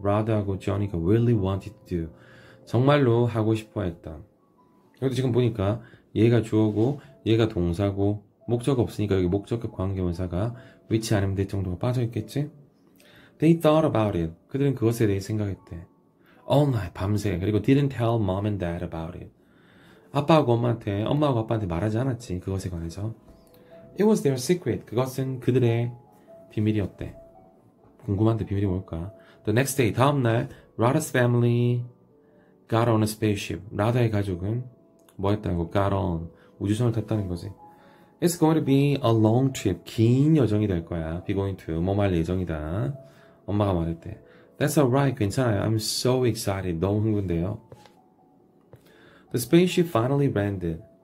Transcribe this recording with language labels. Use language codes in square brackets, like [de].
[ko] Rod하고 Johnny가 [en] really wanted to do. [ko] 정말로 하고 싶어 했던. 여기도 지금 보니까 얘가 주어고, 얘가 동사고, 목적어 없으니까 여기 목적격 관계분사가 위치 않으면 될 정도가 빠져 있겠지? [en] They thought about it. [ko] 그들은 그것에 대해 생각했대. [en] All night, 밤새. [ko] 그리고 [en] didn't tell mom and dad about it. [ko] 아빠하고 엄마한테, 엄마하고 아빠한테 말하지 않았지. 그것에 관해서. [en] It was their secret. [ko] 그것은 그들의 비밀이었대. 궁금한데 비밀이 뭘까? [en] The next day, [ko] 다음날, [en] Rada's family got on a spaceship. [ko] 라다의 가족은 뭐였다고? [en] Got on. [ko] 우주선을 탔다는 거지. [en] It's going to be a long trip. [ko] 긴 여정이 될 거야. Be going to. 뭐말 예정이다. 엄마가 말했대. [en] That's alright. [ko] 괜찮아요. [en] I'm so excited. [ko] 너무 흥분돼요. [en] The spaceship finally landed.